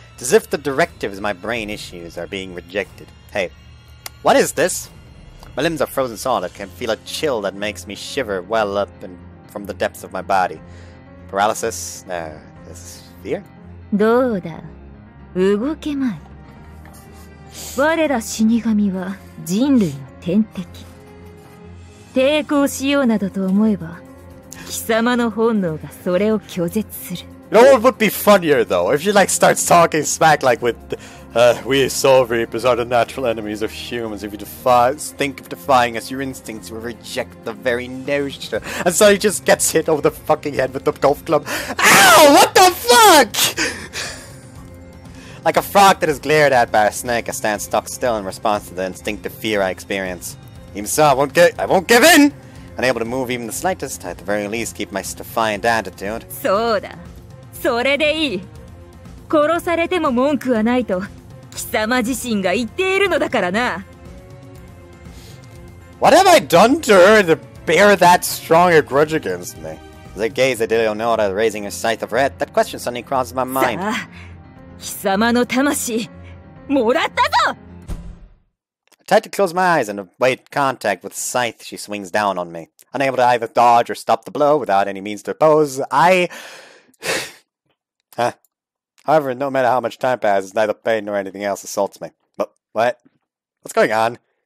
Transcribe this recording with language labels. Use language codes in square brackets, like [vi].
[en] It's as if the directives my brain issues are being rejected. Hey, what is this? My limbs are frozen solid. I can feel a chill that makes me shiver well up and from the depths of my body. Paralysis? Is fear? [ja] どうだ? 動けまい。我ら死神は人類の天敵。抵抗しようなどと思えば、貴様の本能がそれを拒絶する。 [en] know what would be funnier, though? If she, like, starts talking smack, like, with... we soul reapers are the natural enemies of humans. If you defy, think of defying us, your instincts will reject the very notion. And so he just gets hit over the fucking head with the golf club. Ow! What the fuck?! Like a frog that is glared at by a snake, I stand stuck still in response to the instinctive fear I experience. Even so, I won't give in! Unable to move even the slightest, I at the very least keep my defiant attitude. [ja] So da. Sore de ii. 殺されても文句はないと貴様自身が言っているのだからな。 [en] What have I done to her to bear that strong a grudge against me? As I gaze, I didn't know that raising a scythe of red, that question suddenly crossed my mind. [ja] さあ、貴様の魂、もらったぞ! [en] I tried to close my eyes and await contact with the scythe she swings down on me. Unable to either dodge or stop the blow without any means to oppose, I... However, no matter how much time passes, neither pain nor anything else assaults me. But what? What's going on?